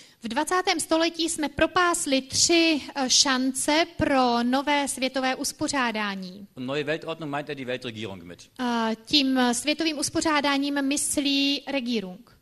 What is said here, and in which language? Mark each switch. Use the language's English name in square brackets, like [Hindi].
[Czech] V 20. století jsme propásli tři šance pro nové světové uspořádání. [German] Und neue Weltordnung meint er die Weltregierung mit. [Czech] Tím světovým uspořádáním myslí Regierung.